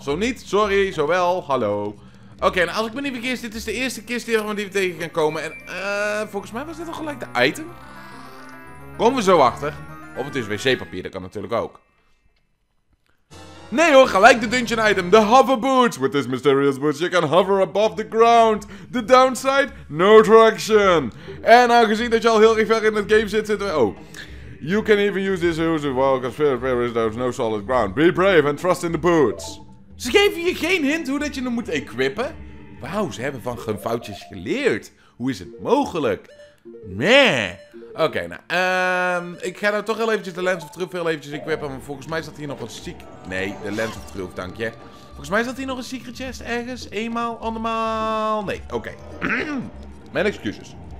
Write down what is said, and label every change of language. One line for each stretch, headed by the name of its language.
Dutch: Zo niet, sorry, zo wel. Hallo. Oké, nou als ik me niet vergis, dit is de eerste kist die we tegen kan komen. En volgens mij was dit al gelijk de item. Komen we zo achter. Of het is wc-papier, dat kan natuurlijk ook. Nee hoor, gelijk de dungeon item, de hover boots.
English: With this mysterious boots, you can hover above the ground. The downside, no traction.
Dutch: En aangezien dat je al heel erg ver in het game zit, zitten we... Oh.
English: You can even use this hoes as well, because there is no solid ground. Be brave and trust in the boots.
Dutch: Ze geven je geen hint hoe dat je hem moet equippen? Wauw, ze hebben van hun foutjes geleerd. Hoe is het mogelijk? Nee. Oké, nou, ik ga nou toch heel eventjes de Lens of Truth heel eventjes equippen, maar volgens mij zat hier nog een secret... Nee, de Lens of Truth, dank je. Volgens mij zat hier nog een secret chest ergens, eenmaal, andermaal... Nee, oké. Mijn excuses.